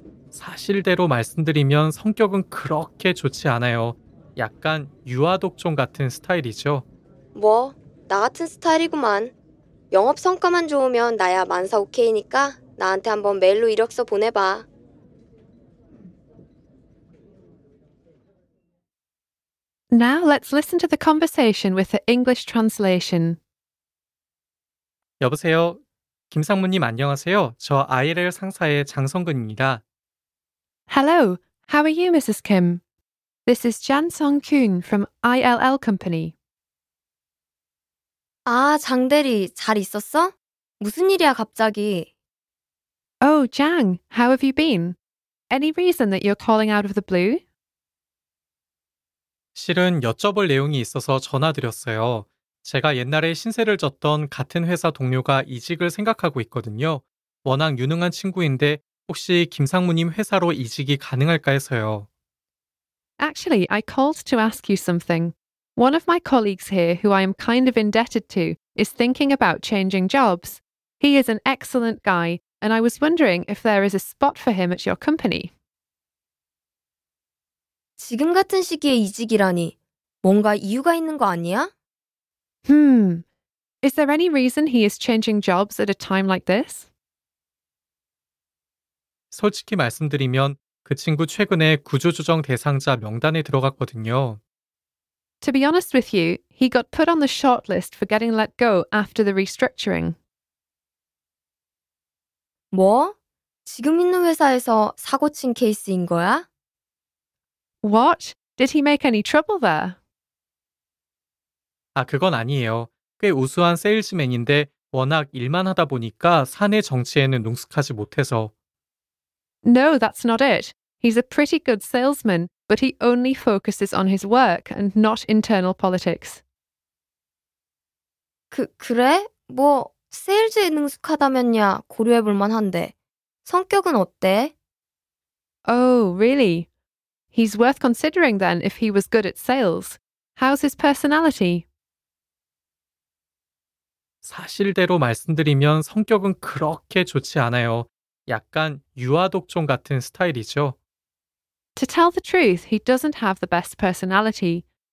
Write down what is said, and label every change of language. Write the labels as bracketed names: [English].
[Korean] 사실대로 말씀드리면 성격은 그렇게 좋지 않아요. 약간 유아독종 같은 스타일이죠. 뭐 나 같은 스타일이구만. 영업 성과만 좋으면 나야 만사 오케이니까 나한테 한번 메일로 이력서 보내봐. [English] Now let's listen to the conversation with the English translation. [Korean] 여보세요. 김상무님 안녕하세요. 저 ILL 상사의 장성근입니다. [English] Hello. How are you, Mrs. Kim? This is Jan Song-kyun from ILL Company. [Korean] 아, 장 대리, 잘 있었어? 무슨 일이야, 갑자기? [English] Oh, Jang, how have you been? Any reason that you're calling out of the blue? [Korean] 실은 여쭤볼 내용이 있어서 전화드렸어요. 제가 옛날에 신세를 졌던 같은 회사 동료가 이직을 생각하고 있거든요. 워낙 유능한 친구인데 혹시 김상무님 회사로 이직이 가능할까 해서요. [English] Actually, I called to ask you something. One of my colleagues here who I am kind of indebted to is thinking about changing jobs. He is an excellent guy, and I was wondering if there is a spot for him at your company. [Korean] 지금 같은 시기에 이직이라니 뭔가 이유가 있는 거 아니야? [English] Is there any reason he is changing jobs at a time like this? [Korean] 솔직히 말씀드리면 그 친구 최근에 구조조정 대상자 명단에 들어갔거든요. [English] To be honest with you, he got put on the shortlist for getting let go after the restructuring. [Korean] 뭐? 지금 있는 회사에서 사고친 케이스인 거야? [English] What? Did he make any trouble there? [Korean] 아, 그건 아니에요. 꽤 우수한 세일즈맨인데 워낙 일만 하다 보니까 사내 정치에는 능숙하지 못해서. [English] No, that's not it. He's a pretty good salesman, but he only focuses on his work and not internal politics. [Korean] 그래? 뭐, 세일즈에 능숙하다면야 고려해볼 만한데. 성격은 어때? [English] Oh, really? He's worth considering then if he was good at sales. How's his personality? [Korean] 사실대로 말씀드리면 성격은 그렇게 좋지 않아요. 약간 유아독종 같은 스타일이죠. [English] To tell the truth, he doesn't have the best personality.